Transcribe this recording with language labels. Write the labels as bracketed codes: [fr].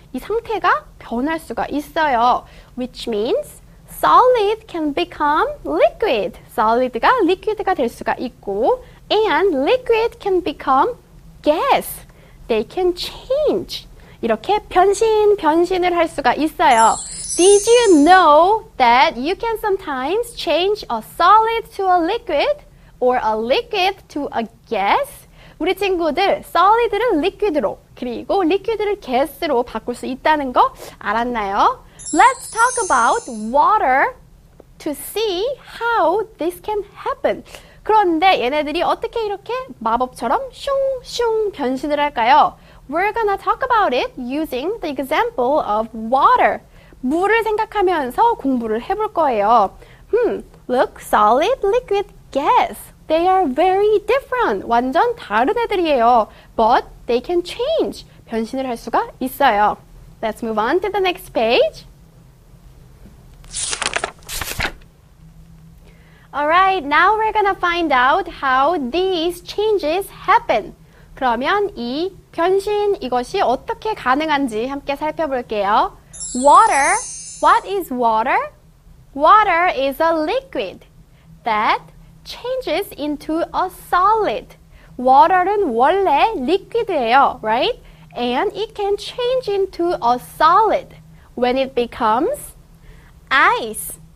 [ko] 이 상태가 변할 수가 있어요. [en] Which means solid can become liquid. [ko] Solid가 liquid가 될 수가 있고 [en] and liquid can become gas. They can change. [ko] 이렇게 변신을 할 수가 있어요. [en] Did you know that you can sometimes change a solid to a liquid or a liquid to a gas? [ko] 우리 친구들, solid를 liquid로 그리고 liquid를 gas로 바꿀 수 있다는 거 알았나요? [en] Let's talk about water to see how this can happen. [ko] 그런데 얘네들이 어떻게 이렇게 마법처럼 슝슝 변신을 할까요? [en] We're gonna talk about it using the example of water. [ko] 물을 생각하면서 공부를 해볼 거예요. [en] Look, solid, liquid, gas. They are very different. [ko] 완전 다른 애들이에요. [en] But they can change. [ko] 변신을 할 수가 있어요. [en] Let's move on to the next page. Alright, now we're gonna find out how these changes happen. [ko] 그러면 이 변신 이것이 어떻게 가능한지 함께 살펴볼게요. [en] Water, what is water? Water is a liquid that changes into a solid. [ko] Water은 원래 liquid예요, [en] right? And it can change into a solid when it becomes ice.